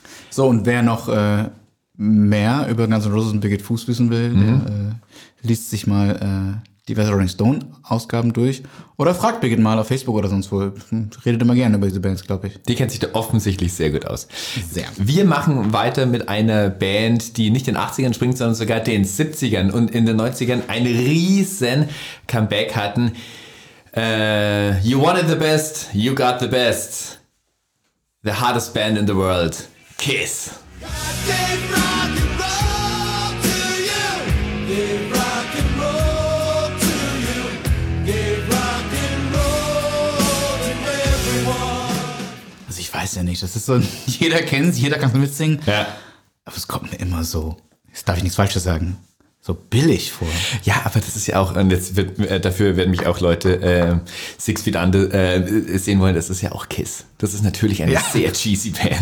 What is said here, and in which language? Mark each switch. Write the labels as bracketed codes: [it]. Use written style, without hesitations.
[de] So, und wer noch mehr über Guns N' Roses und Birgit Fuss wissen will, der liest sich mal diverse Rolling Stone-Ausgaben durch. Oder fragt Birgit mal auf Facebook oder sonst wo. Redet immer gerne über diese Bands, glaube ich. Die kennt sich da offensichtlich sehr gut aus. Sehr. Wir machen weiter mit einer Band, die nicht in den 80ern springt, sondern sogar den 70ern und in den 90ern ein riesen Comeback hatten. [en] You wanted the best, you got the best. The hardest band in the world. Kiss. God gave rock and roll to you. Give rock and roll to you. Give rock and roll to you. [de] weiß ja nicht, das ist so, jeder kennt es, jeder kann es mitsingen. Ja. Aber es kommt mir immer so, jetzt darf ich nichts Falsches sagen, so billig vor. Ja, aber das ist ja auch, und jetzt wird, dafür werden mich auch Leute Six Feet Under sehen wollen, das ist ja auch Kiss. Das ist natürlich eine sehr cheesy Band.